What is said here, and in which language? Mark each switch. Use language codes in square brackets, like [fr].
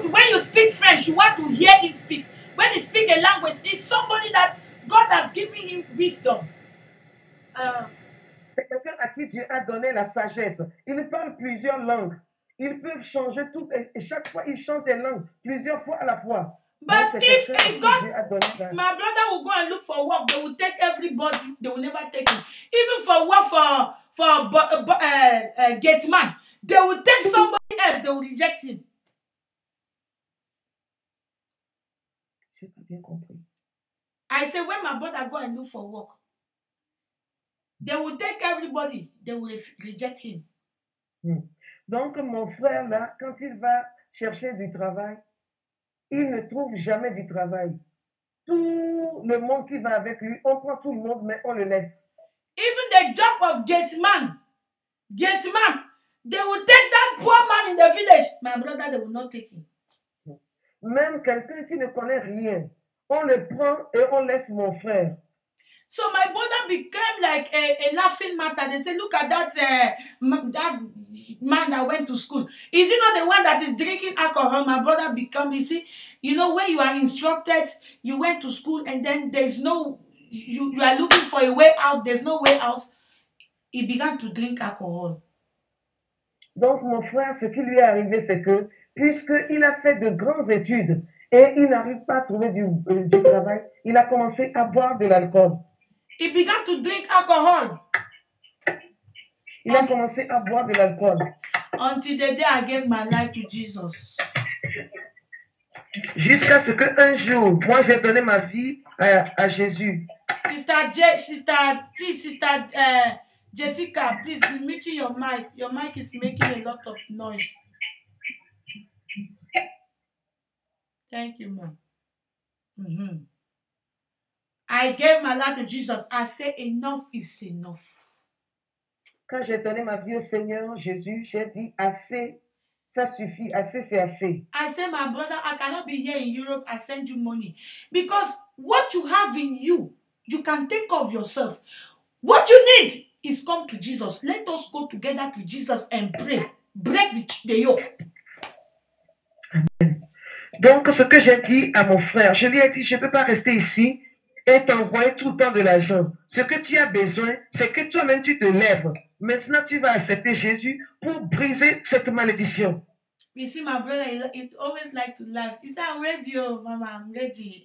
[en] When you speak French, you want to hear him speak. When he speaks a language, it's somebody that God has given him wisdom. [fr] C'est quelqu'un à qui Dieu a donné la sagesse. Il parle plusieurs langues. Ils peuvent changer tout et chaque fois ils chantent des langues plusieurs fois à la fois. [en] But if a God, my brother will go and look for work, they will take everybody, they will never take him. Even for work for gate man, they will take somebody else, they will reject him. I say when my brother go and look for work, they will take everybody, they will reject him. [fr] Donc, mon frère, là, quand il va chercher du travail, il ne trouve jamais du travail. Tout le monde qui va avec lui, on prend tout le monde, mais on le laisse. [en] Even the job of Gateman, they will take that poor man in the village. My brother, they will not take him. [fr] Même quelqu'un qui ne connaît rien, on le prend et on laisse mon frère. [en] So my brother became like a laughing matter. They say, look at that man that went to school. Is he not the one that is drinking alcohol? My brother become, you see, you know, when you are instructed, you went to school and then there's no, you are looking for a way out. There's no way out. He began to drink alcohol. [fr] Donc mon frère, ce qui lui est arrivé, c'est que puisqu'il a fait de grandes études et il n'arrive pas à trouver du travail, il a commencé à boire de l'alcool. [en] He began to drink alcohol. [fr] Il a commencé à boire de l'alcool. [en] Until the day I gave my life to Jesus. [fr] Jusqu'à ce que un jour, moi j'ai donné ma vie à Jésus. [en] Sister Jessica, please be muting your mic. Your mic is making a lot of noise. Thank you, ma'am. Mm-hmm. I gave my life to Jesus. I say enough is enough. [fr] Quand j'ai donné ma vie au Seigneur Jésus, j'ai dit assez, ça suffit, assez c'est assez. [en] I say, my brother, I cannot be here in Europe. I send you money because what you have in you, you can take of yourself. What you need is come to Jesus. Let us go together to Jesus and pray. Break the yoke. Amen. [fr] Donc ce que j'ai dit à mon frère, je lui ai dit, je peux pas rester ici et t'envoyer tout le temps de l'argent. Ce que tu as besoin, c'est que toi-même, tu te lèves. Maintenant, tu vas accepter Jésus pour briser cette malédiction. [en] You see, my brother, he always like to laugh. He said, I'm ready, oh, mama, I'm ready.